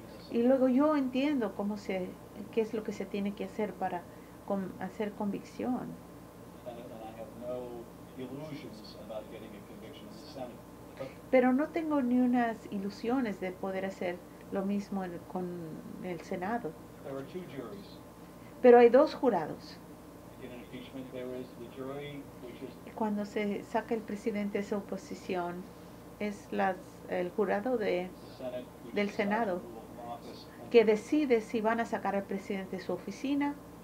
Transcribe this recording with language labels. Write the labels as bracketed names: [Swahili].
[Spanish] Y luego yo entiendo qué es lo que se tiene que hacer para hacer convicción. [English] And I have no illusions about getting a conviction in the Senate. [Spanish] Pero no tengo ni unas ilusiones de poder hacer lo mismo con el Senado. [English] There are two juries. [Spanish] Pero hay dos jurados. [English] In an impeachment, there is the jury, which is [Spanish] cuando se saca el presidente de su oposición, es el jurado de del Senado que decide si van a sacar al presidente de su oficina.